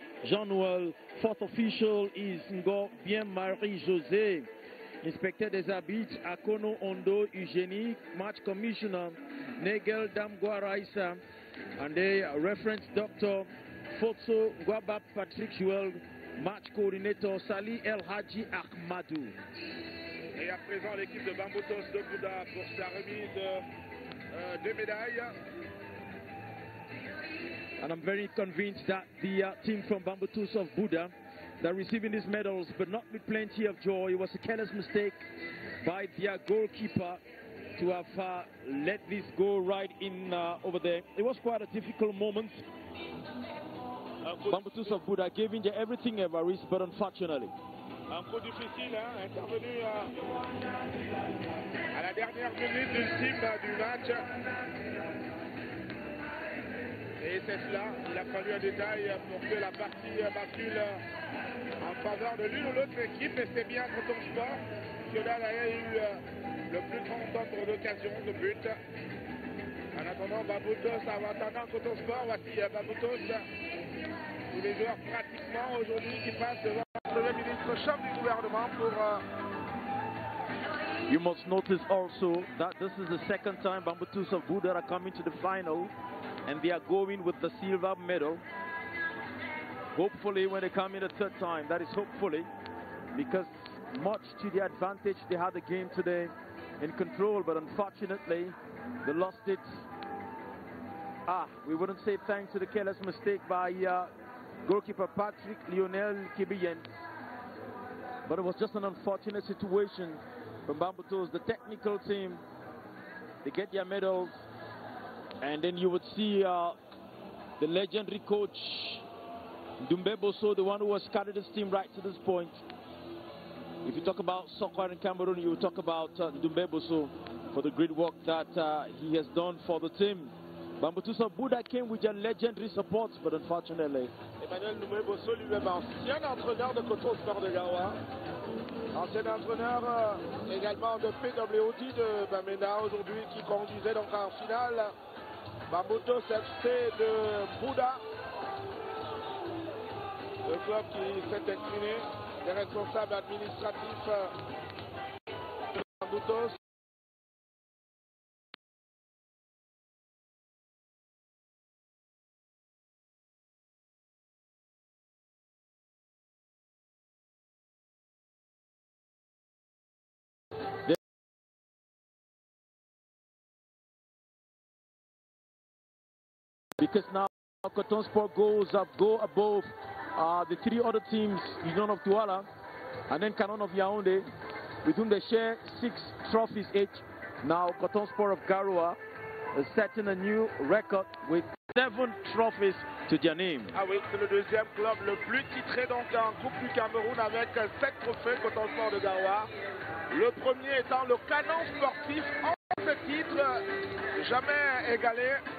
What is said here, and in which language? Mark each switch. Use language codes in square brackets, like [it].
[en] Jean-Noël, fourth official is Ngo Bien-Marie-José, [fr] Inspecteur des Arbitres, [en] Akono Ondo, Eugénie, Match Commissioner, Nigel Damgwa-Raisa, and the reference doctor, Foto Gwabab Patrick Joel, Match Coordinator, Sali El Hadji Ahmadou. [fr] Et à présent, l'équipe de Bamboutos de Bouda pour sa remise de deux médailles. [en] And I'm very convinced that the team from Bamboutos of Buda, they're receiving these medals, but not with plenty of joy. It was a careless mistake by their goalkeeper to have let this go right in over there. It was quite a difficult moment. Bamboutos of Buda giving their everything, Evaris, but unfortunately. [fr] Un coup difficile, hein, intervenu à la dernière minute du team du match. Et c'est cela, il a fallu un détail pour que la partie bascule en faveur de l'une ou l'autre équipe. Et c'est bien quand on se bat que là, il y a eu le plus grand nombre d'occasions de but. En attendant, Bamboutos, en attendant quand on se bat, voici Bamboutos, tous les joueurs pratiquement aujourd'hui qui passent devant le premier ministre, chef du gouvernement pour. [en] You must notice also that this is the second time Bamboutos of Buda are coming to the final. And they are going with the silver medal. Hopefully, when they come in a third time, that is hopefully, because much to the advantage they had the game today in control, but unfortunately, they lost it. Ah, we wouldn't say thanks to the careless mistake by goalkeeper Patrick Lionel Kibiyen, but it was just an unfortunate situation from Bamboutos, the technical team. They get their medals. And then you would see the legendary coach, Dumbe Boso, the one who has carried his team right to this point. If you talk about soccer in Cameroon, you talk about Dumbe Boso for the great work that he has done for the team. Bamboutos of Buda came with their legendary support, but unfortunately. [fr] Emmanuel Dumbe Boso, lui-même, ancien entraîneur de Coton Sport de Garoua, ancien entraîneur également de PWD de Bamena aujourd'hui, qui conduisait donc en finale. Bamboutos FC de Bouda, le club qui s'est incliné, les responsables administratifs de Bamboutos. [en] Because now Coton Sport goes up, go above the three other teams, Union of Douala, and then Canon of Yaoundé, with whom they share six trophies each. Now Coton Sport of Garoua is setting a new record with seven trophies to their name. [fr] Ah oui, c'est le deuxième club le plus titré donc en Coupe du Cameroun avec sept trophées, Coton Sport de Garoua. Le premier étant le Canon Sportif, en ce titre jamais égalé.